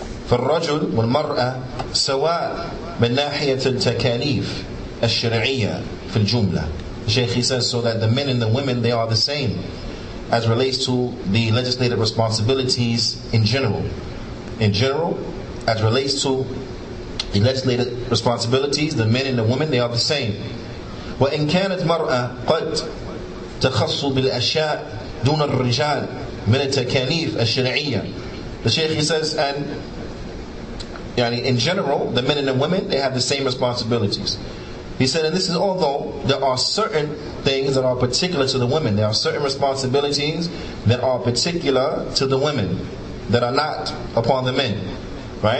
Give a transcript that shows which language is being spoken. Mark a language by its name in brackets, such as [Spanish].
[Arabic] فالرجل والمرأة سواء من ناحية التكاليف الشرعية في الجملة. [English] Sheikh, he says, so that the men and the women, they are the same as relates to the legislative responsibilities in general. In general, as relates to the legislative responsibilities, the men and the women, they are the same. [Arabic] وإن كانت مرأة قد تخص بالأشياء دون الرجال من التكاليف الشرعية. [English] The Shaykh, he says, and in general, the men and the women, they have the same responsibilities. He said, and this is although there are certain things that are particular to the women. There are certain responsibilities that are particular to the women that are not upon the men. Right?